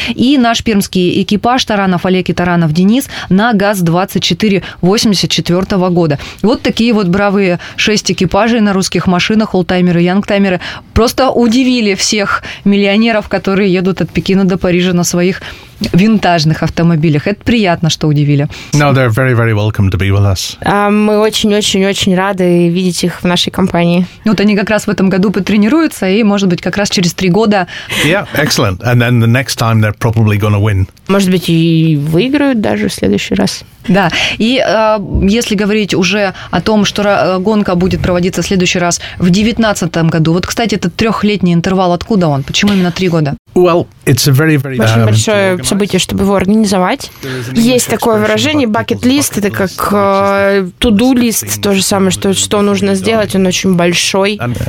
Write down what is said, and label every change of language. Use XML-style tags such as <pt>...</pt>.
<ru>И наш пермский экипаж Таранов Олег и Таранов Денис на ГАЗ-2484 года. Вот такие вот бравые 6 экипажей на русских машинах, олдтаймеры, янгтаймеры. Просто удивили всех миллионеров, которые едут от Пекина до Парижа на своих винтажных автомобилях. Это приятно, что удивили.</ru> <en>No, they're very, very welcome to be with us.</en> <ru>Мы очень-очень-очень рады видеть их в нашей компании. Вот они как раз в этом году потренируются, и, может быть, как раз через 3 года...</ru> <en>Yeah, excellent. And then the next time they're probably gonna win.</en> <ru>Может быть, и выиграют даже в следующий раз. Да, и если говорить уже о том, что гонка будет проводиться в следующий раз в 2019 году, вот, кстати, этот 3-летний интервал, откуда он? Почему именно 3 года?</ru> <en>Well, it's a very, very,</en> <ru>очень большое событие, чтобы его организовать. Есть такое выражение bucket list, это как to-do list, то же самое, что нужно сделать, он очень большой.</ru>